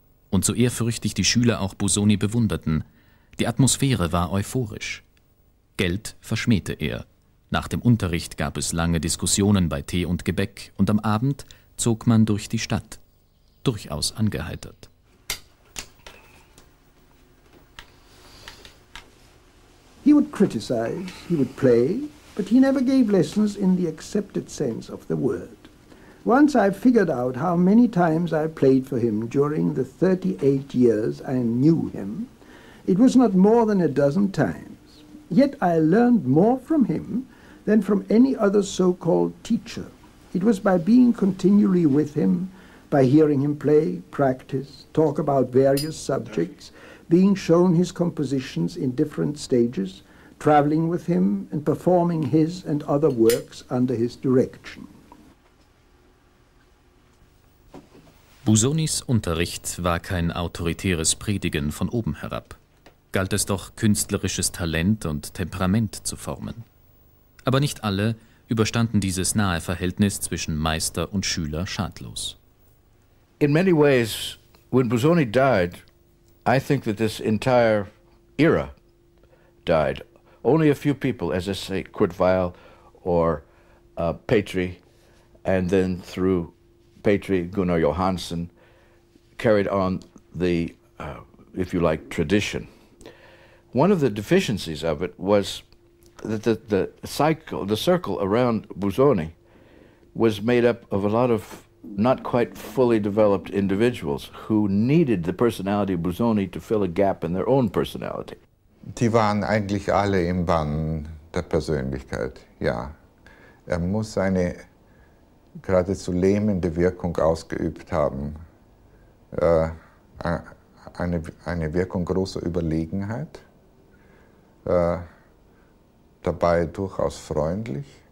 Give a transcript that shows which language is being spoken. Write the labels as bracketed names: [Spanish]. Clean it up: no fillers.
[German] Und so ehrfürchtig die Schüler auch Busoni bewunderten, die Atmosphäre war euphorisch. Geld verschmähte er. Nach dem Unterricht gab es lange Diskussionen bei Tee und Gebäck und am Abend zog man durch die Stadt, durchaus angeheitert. [English] He would criticize, he would play, but he never gave lessons in the accepted sense of the word. Once I figured out how many times I played for him during the 38 years I knew him, it was not more than a dozen times. Yet I learned more from him than from any other so-called teacher. It was by being continually with him, by hearing him play, practice, talk about various subjects, being shown his compositions in different stages, traveling with him and performing his and other works under his direction. [German] Busonis Unterricht war kein autoritäres Predigen von oben herab. Galt es doch, künstlerisches Talent und Temperament zu formen. Aber nicht alle überstanden dieses nahe Verhältnis zwischen Meister und Schüler schadlos. [English] In many ways, when Busoni died, I think that this entire era died. Only a few people, as I say, Kurt Weill or Petri, and then through Petri, Gunnar Johansson, carried on the, if you like, tradition. One of the deficiencies of it was that the cycle, the circle around Busoni was made up of a lot of not quite fully developed individuals who needed the personality of Busoni to fill a gap in their own personality. [German] Die waren eigentlich alle im Bann der Persönlichkeit, ja. Muss eine geradezu lähmende Wirkung ausgeübt haben. Eine Wirkung großer Überlegenheit, dabei durchaus freundlich.